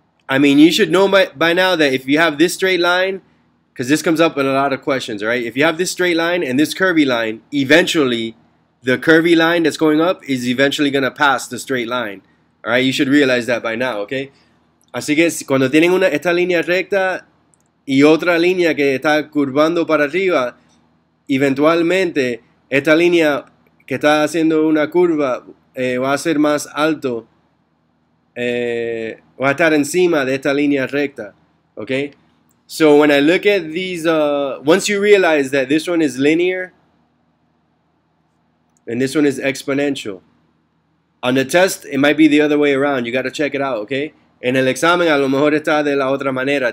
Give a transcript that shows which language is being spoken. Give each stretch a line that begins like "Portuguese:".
English: I mean, you should know by now that if you have this straight line, because this comes up in a lot of questions, right? If you have this straight line and this curvy line, eventually the curvy line that's going up is eventually going to pass the straight line, all right? You should realize that by now, okay?
Spanish: Así que cuando tienen esta línea recta y otra línea que está curvando para arriba, eventualmente esta línea que está haciendo una curva va a ser más alto. Va a estar encima de esta línea recta, okay?
English: So when I look at these, once you realize that this one is linear and this one is exponential, On the test, it might be the other way around. You got to check it out, okay?
Spanish: En el examen, a lo mejor está de la otra manera.